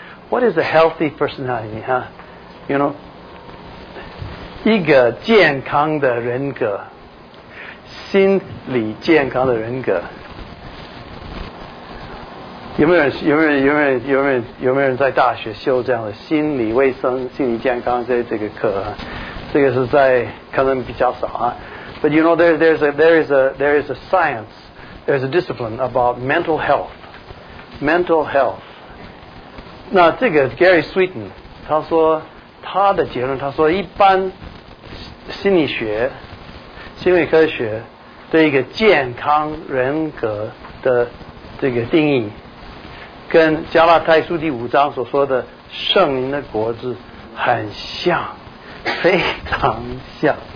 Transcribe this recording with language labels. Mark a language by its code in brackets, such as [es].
[en] What is a healthy personality? You know? [zh] 一个健康的人格心理健康的人格。有没有人在大学修这样的心理卫生、心理健康这个课？这个是在可能比较少啊。 [en] But you know there is a science, there is a discipline about mental health. Mental health. [zh] 那这个 Gary Sweeten 他说他的结论，他说一般心理学、心理科学的一个健康人格的这个定义，跟加拉太书第五章所说的圣灵的果子很像，非常像。